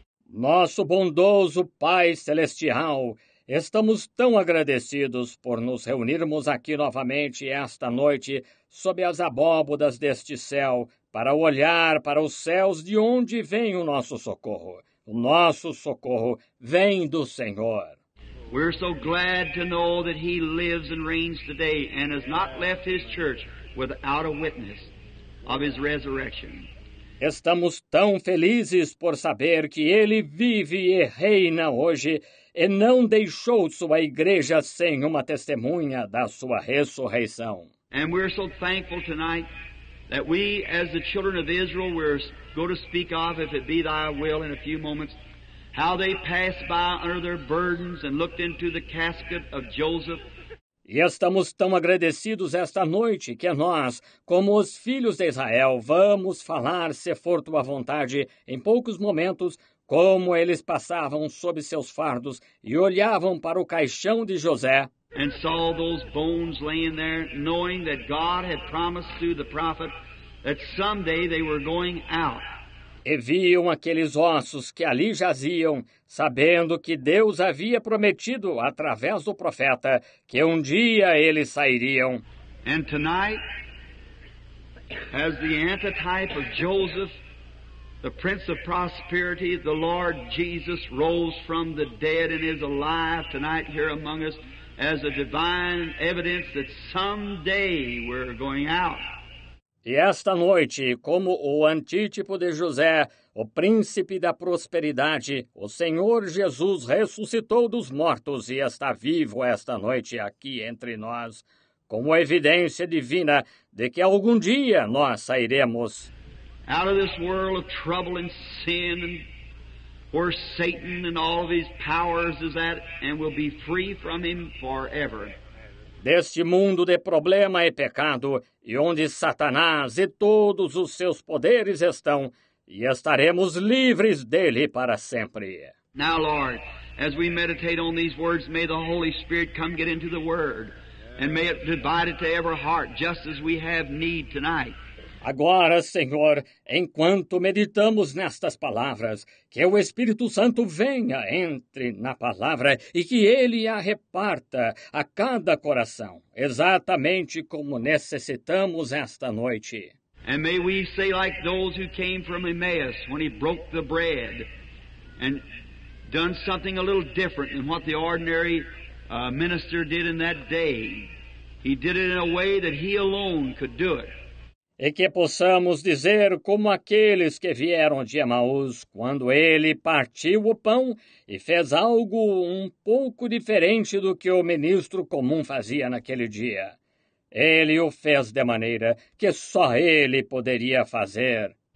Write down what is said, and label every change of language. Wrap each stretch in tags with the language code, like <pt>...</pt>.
<pt>Nosso bondoso Pai Celestial, estamos tão agradecidos por nos reunirmos aqui novamente esta noite sob as abóbodas deste céu para olhar para os céus de onde vem o nosso socorro. O nosso socorro vem do Senhor.</pt> <en>We're so glad to know that He lives and reigns today and has not left His church without a witness of His resurrection.</en> <pt>Estamos tão felizes por saber que Ele vive e reina hoje e não deixou sua igreja sem uma testemunha da sua ressurreição.</pt> <en>And we're so thankful tonight that we, as the children of Israel, we're going to speak of, if it be thy will, in a few moments, how they passed by under their burdens and looked into the casket of Joseph.</en> <pt>E estamos tão agradecidos esta noite que nós, como os filhos de Israel, vamos falar, se for tua vontade, em poucos momentos, como eles passavam sob seus fardos e olhavam para o caixão de José.</pt> <en>And saw those bones laying there, knowing that God had promised through the prophet that someday they were going out.</en> <pt>E viam aqueles ossos que ali jaziam, sabendo que Deus havia prometido, através do profeta, que um dia eles sairiam.</pt> <en>And tonight, as the antitype of Joseph, the Prince of Prosperity, the Lord Jesus rose from the dead and is alive tonight here among us as a divine evidence that someday we're going out.</en> <pt>E esta noite, como o antítipo de José, o príncipe da prosperidade, o Senhor Jesus ressuscitou dos mortos e está vivo esta noite aqui entre nós, como evidência divina de que algum dia nós sairemos.</pt> <en>Out of this world of trouble and sin, where Satan and all of his powers is at, and will be free from him forever.</en> <pt>deste mundo de problema e pecado, e onde Satanás e todos os seus poderes estão, e estaremos livres dele para sempre.</pt> <en>Now, Lord, as we meditate on these words, may the Holy Spirit come get into the Word, and may it divide it to every heart, just as we have need tonight.</en> <pt>Agora, Senhor, enquanto meditamos nestas palavras, que o Espírito Santo venha, entre na palavra e que Ele a reparta a cada coração, exatamente como necessitamos esta noite.</pt> <en>And may we say like those who came from Emmaus when he broke the bread and done something a little different than what the ordinary minister did in that day. He did it in a way that he alone could do it.</en> <pt>E que possamos dizer como aqueles que vieram de Emaús, quando ele partiu o pão e fez algo um pouco diferente do que o ministro comum fazia naquele dia. Ele o fez de maneira que só ele poderia fazer.</pt>